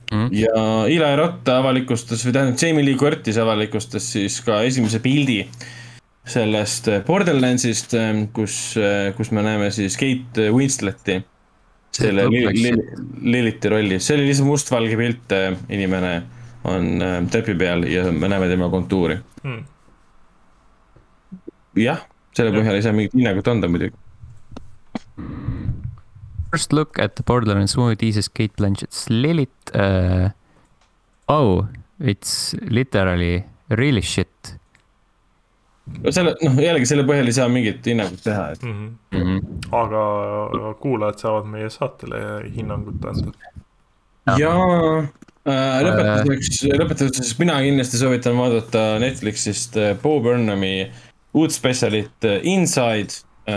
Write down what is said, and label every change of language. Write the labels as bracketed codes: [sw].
[et] Ja Eli Roth avalikustas või tähendab Jamie Lee Curtis avalikustas siis ka esimese pildi sellest Borderlandsist, kus me näeme siis Kate Winsletti selle Lilithi rolli. See oli lihtsalt mustvalge pilt inimene on trepi peal ja me näeme tema kontuuri. Jah, selle põhjal ei saa mingit hinnangut anda muidugi. [en] First look at the Borderlands movie teases Kate Blanchett's Lilith. Oh, it's literally really shit. [et] Selle, no jällegi selle põhjal ei saa mingit hinnangut teha. Et. Aga kuulajad saavad meie saatele hinnangut anda. Jaa, lõpetuseks mina kindlasti soovitan vaadata Netflixist Bo Burnhami uut spesialit Inside.